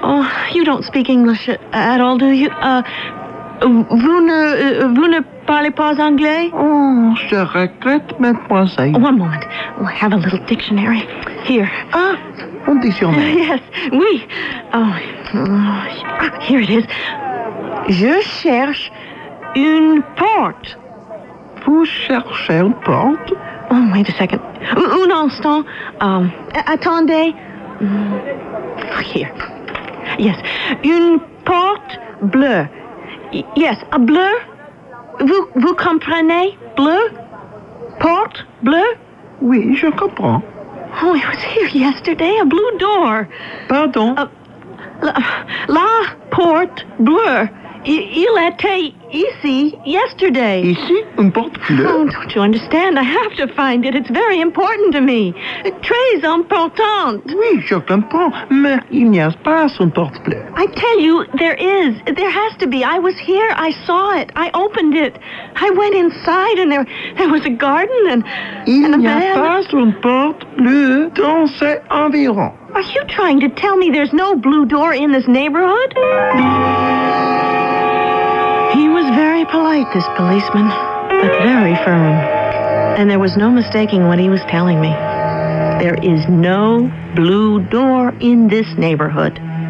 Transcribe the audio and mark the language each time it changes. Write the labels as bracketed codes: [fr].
[en] Oh, you don't speak English at all, do you? [fr] Vous ne parlez pas anglais? Oh, je regrette, mademoiselle. [en] One moment. Oh, I have a little dictionary. Here. [fr] Ah, un dictionnaire. [en] Yes, oui. Oh, here it is. [fr] Je cherche une porte. Vous cherchez une porte? [en] Oh, wait a second. [fr] Un instant. Attendez. [en] Here. Yes. [fr] Une porte bleue. Yes, a bleu. Vous comprenez? Bleu? Porte bleue? Oui, je comprends. [en] Oh, it was here yesterday. A blue door. [fr] Pardon? La porte bleue. Il était ici [en] yesterday. [fr] Ici? Une porte bleue? [en] Oh, don't you understand? I have to find it. It's very important to me. [fr] Très important. Oui, je comprends. Mais il n'y a pas une porte bleue. [en] I tell you, there is. There has to be. I was here. I saw it. I opened it. I went inside and there was a garden and [fr] il n'y a pas une porte bleue dans cet environ. [en] Are you trying to tell me there's no blue door in this neighborhood? He was very polite, this policeman, but very firm. And there was no mistaking what he was telling me. There is no blue door in this neighborhood.